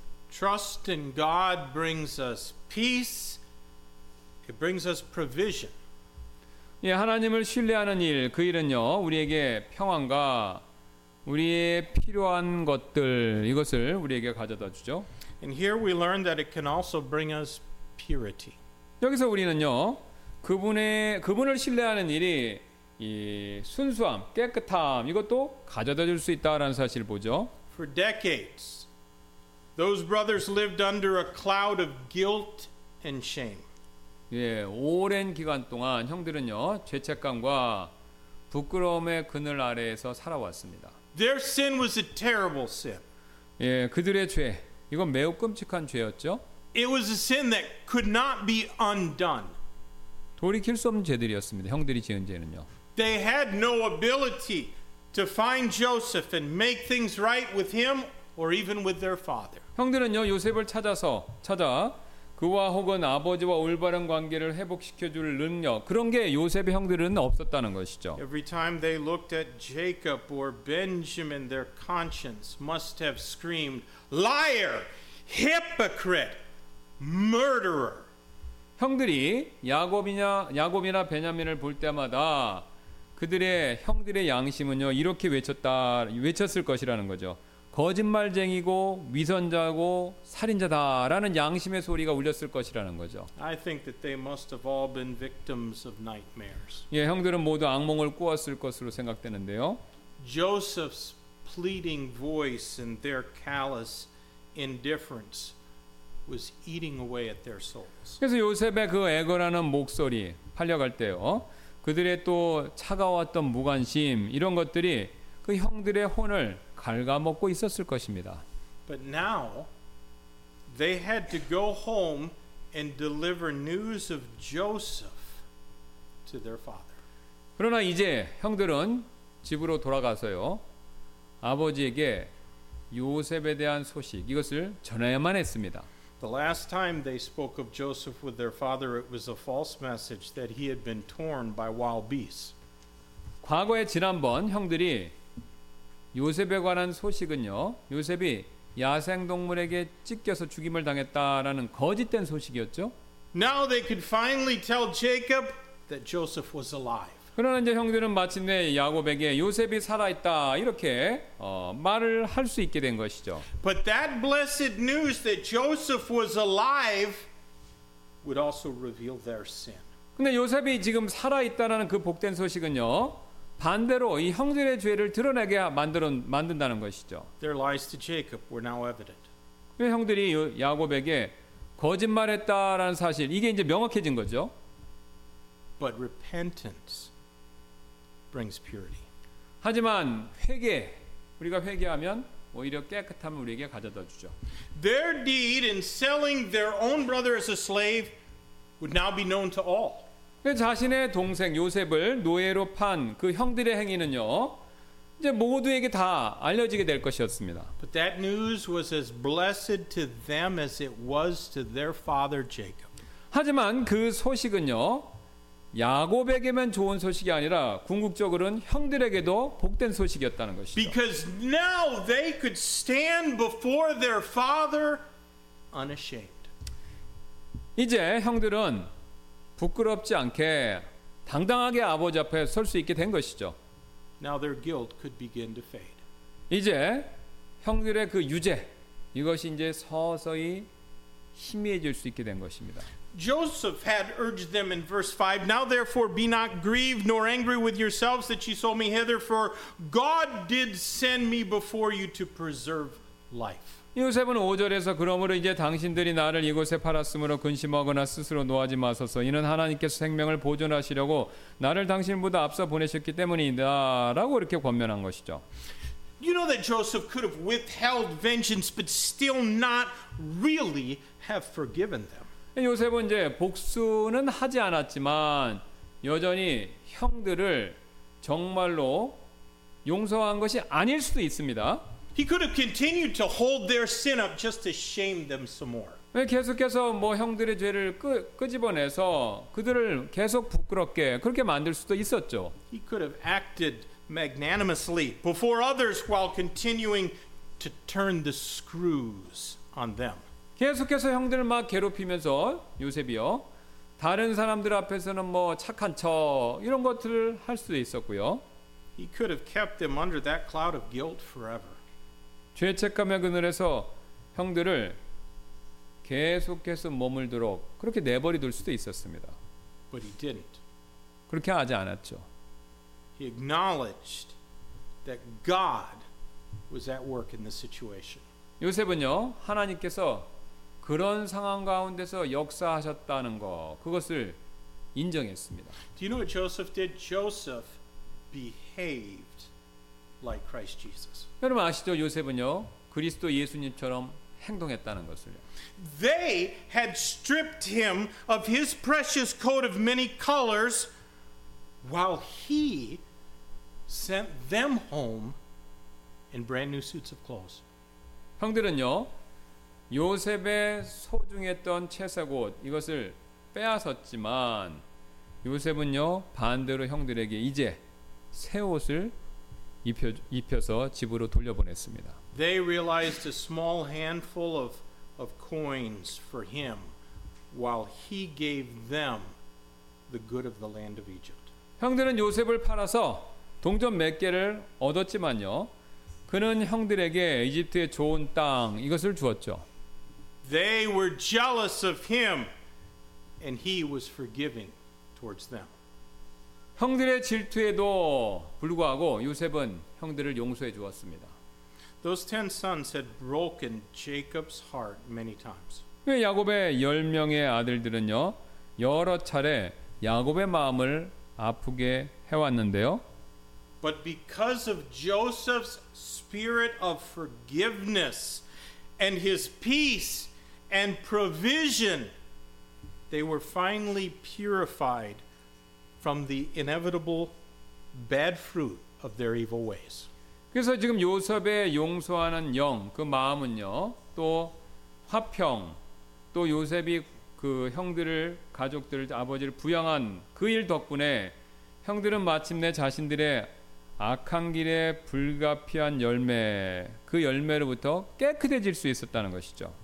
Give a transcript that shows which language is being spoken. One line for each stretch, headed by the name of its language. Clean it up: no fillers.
English: Trust in God brings us peace. It brings us provision.
Korean: 예, 하나님을 신뢰하는 일, 그 일은요 우리에게 평안과 우리의 필요한 것들 이것을 우리에게 가져다 주죠.
English: And here we learn that it can also bring us purity.
Korean: 여기서 우리는요 그분을 신뢰하는 일이 이 순수함, 깨끗함 이것도 가져다 줄 수 있다라는 사실을 보죠.
English: For decades, those brothers lived under a cloud of guilt and shame.
Korean: 예, 오랜 기간 동안 형들은요 죄책감과 부끄러움의 그늘 아래에서 살아왔습니다.
English: Their sin was a terrible sin.
Korean: 예, 그들의 죄 이건 매우 끔찍한 죄였죠.
English: It was a sin that could not be undone.
Korean: 돌이킬 수 없는 죄들이었습니다. 형들이 지은 죄는요.
English: They had no ability to find Joseph and make things right with him or even with their father.
Korean: 형들은요 요셉을 찾아 그와 혹은 아버지와 올바른 관계를 회복시켜 줄 능력 그런 게 요셉의 형들은 없었다는 것이죠.
English: Every time they looked at Jacob or Benjamin, their conscience must have screamed, "Liar, hypocrite, murderer."
Korean: 형들이 야곱이나 베냐민을 볼 때마다 형들의 양심은요 이렇게 외쳤을 것이라는 거죠. 거짓말쟁이고 위선자고 살인자다라는 양심의 소리가 울렸을 것이라는 거죠.
English: I think that they must have all been victims of nightmares.
Korean: 예, 형들은 모두 악몽을 꾸었을 것으로 생각되는데요.
English: Joseph's pleading voice and their callous indifference was eating away at their souls.
Korean: 그래서 요셉의 그 애걸하는 목소리 팔려갈 때요. 그들의 또 차가웠던 무관심 이런 것들이 그 형들의 혼을 갉아먹고 있었을 것입니다.
English: But now they had to go home and deliver news of Joseph to their father.
Korean: 그러나 이제 형들은 집으로 돌아가서요. 아버지에게 요셉에 대한 소식 이것을 전해야만 했습니다.
English: The last time they spoke of Joseph with their father it was a false message that he had been torn by wild beasts.
Korean: 과거에 지난번 형들이 요셉에 관한 소식은요. 요셉이 야생 동물에게 찢겨서 죽임을 당했다라는 거짓된 소식이었죠.
English: Now they could finally tell Jacob that Joseph was alive.
Korean: 그러나 이제 형들은 마침내 야곱에게 요셉이 살아있다 이렇게 말을 할 수 있게 된 것이죠.
English: But that blessed news that Joseph was alive would also reveal their sin.
Korean: 근데 요셉이 지금 살아있다라는 그 복된 소식은요, 반대로 이 형들의 죄를 드러내게 만든다는 것이죠.
English: Their lies to Jacob were now evident.
Korean: 그 형들이 야곱에게 거짓말했다라는 사실 이게 이제 명확해진 거죠.
English: But repentance brings purity.
Korean: 하지만 회개, 우리가 회개하면 오히려 깨끗함을 우리에게 가져다 주죠.
English: Their deed in selling their own brother as a slave would now be known to all.
Korean: 자신의 동생 요셉을 노예로 판 그 형들의 행위는요, 이제 모두에게 다 알려지게 될 것이었습니다.
English: But that news was as blessed to them as it was to their father Jacob.
Korean: 하지만 그 소식은요, 야곱에게만 좋은 소식이 아니라 궁극적으로는 형들에게도 복된 소식이었다는 것이죠.
English: Because now they could stand before their father unashamed.
Korean: 이제 형들은 부끄럽지 않게 당당하게 아버지 앞에 설 수 있게 된 것이죠.
English: Now their guilt could begin to fade.
Korean: 이제 형들의 그 유죄 이것이 이제 서서히 희미해질 수 있게 된 것입니다.
English: Joseph had urged them in verse 5, Now therefore be not grieved nor angry with yourselves that you sold me hither, for God did send me before you to preserve life.
Korean: 요셉은 5절에서 그러므로 이제 당신들이 나를 이곳에 팔았으므로 근심하거나 스스로 노하지 마소서 이는 하나님께서 생명을 보존하시려고 나를 당신보다 앞서 보내셨기 때문이다 라고 이렇게 권면한 것이죠.
English: You know that Joseph could have withheld vengeance but still not really have forgiven them.
Korean: 요셉은 이제 복수는 하지 않았지만 여전히 형들을 정말로 용서한 것이 아닐 수도 있습니다.
English: He could have continued to hold their sin up just to shame them some more.
Korean: 계속해서 뭐 형들의 죄를 끄집어내서 그들을 계속 부끄럽게 그렇게 만들 수도 있었죠.
English: He could have acted magnanimously before others while continuing to turn the screws on them.
Korean: 계속해서 형들을 막 괴롭히면서 요셉이요 다른 사람들 앞에서는 뭐 착한 척 이런 것들을 할 수도 있었고요.
English: He could have kept them under that cloud of guilt forever.
Korean: 죄책감의 그늘에서 형들을 계속해서 머물도록 그렇게 내버려둘 수도 있었습니다.
English: But he didn't.
Korean: 그렇게 하지 않았죠.
English: He acknowledged that God was at work in the situation.
Korean: 요셉은요 하나님께서 그런 상황 가운데서 역사하셨다는 거 그것을 인정했습니다.
English: Do you know what Joseph did? Joseph behaved like Christ Jesus.
Korean: 여러분 아시죠? 요셉은요 그리스도 예수님처럼 행동했다는 것을요.
English: They had stripped him of his precious coat of many colors while he sent them home in brand new suits of clothes.
Korean: 형들은요 요셉의 소중했던 채색옷 이것을 빼앗았지만 요셉은요 반대로 형들에게 이제 새 옷을 입혀서 집으로 돌려보냈습니다.
English: They realized a small handful of coins for him while he gave them the good of the land of Egypt.
Korean: 형들은 요셉을 팔아서 동전 몇 개를 얻었지만요 그는 형들에게 이집트의 좋은 땅 이것을 주었죠.
English: They were jealous of him, and he was forgiving towards them.
Korean: 형들의 질투에도 불구하고 요셉은 형들을 용서해 주었습니다.
English: Those ten sons had broken Jacob's heart many times.
Korean: 야곱의 열 명의 아들들은요 여러 차례 야곱의 마음을 아프게 해왔는데요.
English: But because of Joseph's spirit of forgiveness and his peace. And provision, they were finally purified from the inevitable bad fruit of their evil ways.
Korean: 그래서 지금 요셉의 용서하는 영, 그 마음은요, 또 화평, 또 요셉이 그 형들을 가족들을 아버지를 부양한 그 일 덕분에 형들은 마침내 자신들의 악한 길의 불가피한 열매 그 열매로부터 깨끗해질 수 있었다는 것이죠.